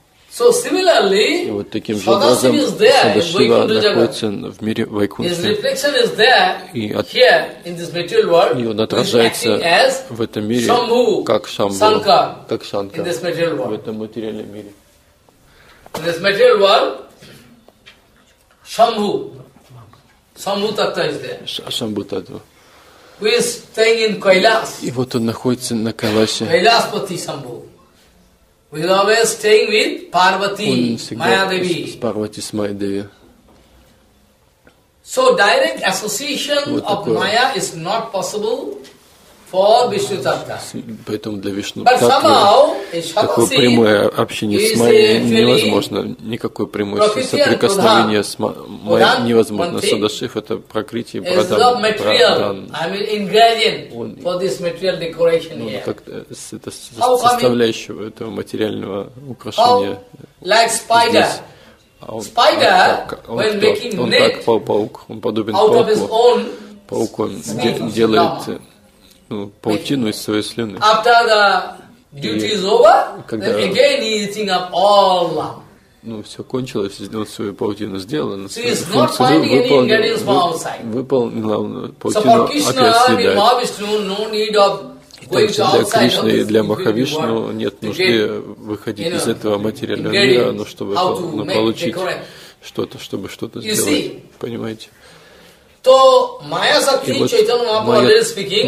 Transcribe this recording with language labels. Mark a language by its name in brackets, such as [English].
[English] So similarly, [Russian] и вот таким же образом Садашива находится в мире Вайкунтхи, и от нее он отражается в этом мире как Шамбу, как Шанка в этом материальном мире. [English] In this material world, Shambhu, Shambhu Tattva is there. Shambhu Tattva. Who is staying in Kailas? [Russian] И вот он находится на Кайласе. Кайласпати Шамбу. [English] We are always staying with Parvati, Maya Devi. [Russian] С Парвати, с Майя Деви. [English] So direct association [Russian] вот [English] of [Russian] такое. [English] Maya is not possible for Vishnu Tattva. [Russian] Поэтому для Вишну Таттвы такое прямое общение с Майей невозможно. Никакое прямое соприкосновение с Майей невозможно. Садашив — это Пракрити, Прадан. [English] It is not material. I mean ingredient for this material decoration here. [Russian] Как это составляющего этого материального украшения. [English] Like spider. Spider, when making net, [Russian] паук, он подобен пауку. Паук, он делает паутину из своей слюны. [English] After the duty is over, then again he is eating up all. [Russian] Ну, все кончилось, сделал свою паутину, сделано. [English] So he's not finding any ingredients from outside. [Russian] Выполнил главную паутину, опять съедает. [English] So for Krishna, no need of going outside. [Russian] Для Кришны и для Махавишну нет нужды выходить из этого материального мира, но чтобы получить что-то, чтобы что-то сделать. Понимаете? То Майя Шакти, вот Чайтанья Махапрабху [English] speaking,